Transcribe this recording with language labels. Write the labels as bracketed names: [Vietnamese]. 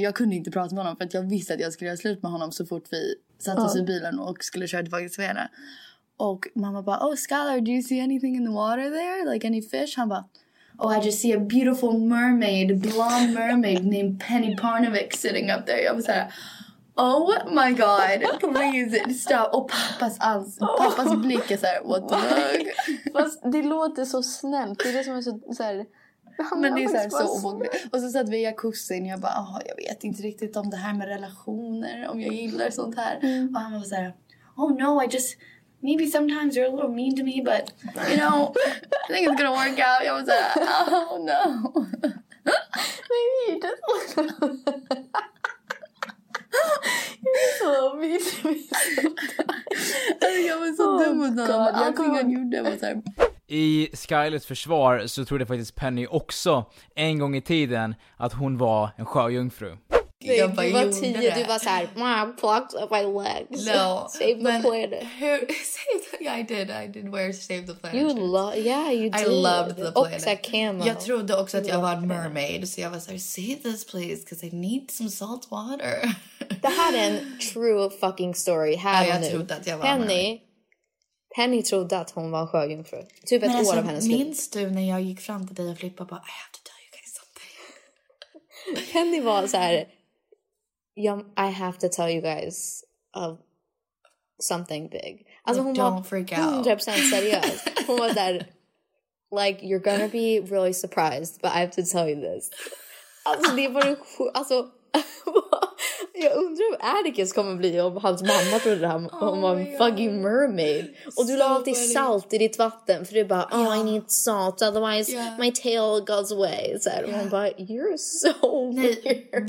[Swedish] Jag kunde inte prata med honom. För att jag visste att jag skulle göra slut med honom så fort vi satt oss i bilen och skulle köra tillbaka till Sverige. Och mamma bara, [English] oh Skylar, do you see anything in the water there? Like any fish? Han bara, oh I just see a beautiful mermaid, blonde mermaid named Penny Parnovic sitting up there. [Swedish] Jag var såhär, [English] oh my god, please stop. [Swedish] Och pappas blick är såhär, [English] what the fuck? [Swedish] Fast det låter så snällt, det är det som är så såhär. Men det är såhär så obehagligt. Och så satt vi i jacuzzin. Jag bara, jag vet inte riktigt om det här med relationer. Om jag gillar sånt här. Och han var såhär, [English] oh no, I just maybe sometimes you're a little mean to me, but, you know, I think it's going to work out. I was like, oh, no. Maybe you just look at you're just a little mean to me sometimes. I think I was so dumb with that. God, I think I knew that was time. [Swedish] I Skylets försvar så trodde faktiskt Penny också en gång i tiden att hon var en sjöjungfru. [English] Du var såhär, mom, plucked up my legs. No. Save the planet. I did wear Save the Planet. You did. I loved the planet. [Swedish] Också camo. Jag trodde också att jag var en mermaid. Så jag var såhär, [English] save this please, because I need some salt water. [Swedish] Det här är en [English] true fucking story. [Swedish] Här jag trodde att jag var en mermaid. Penny trodde att hon var sjöjungfru. Typ ett år av hennes liv. Minns du när jag gick fram till dig och flippade bara, [English] I have to tell you guys something. [Swedish] Penny var så här, [English] I have to tell you guys of something big. [Swedish] Alltså hon [English] don't freak out. 100% [Swedish] seriös. Hon var där, [English] like, you're gonna be really surprised, but I have to tell you this. [Swedish] Alltså det var alltså... Jag undrar om Atticus kommer bli om hans mamma trodde han var en fucking mermaid. Och du la alltid salt i ditt vatten. För du bara, [English] I need salt. Otherwise my tail goes away. Så yeah. [Swedish] Hon bara, [English] you're so weird.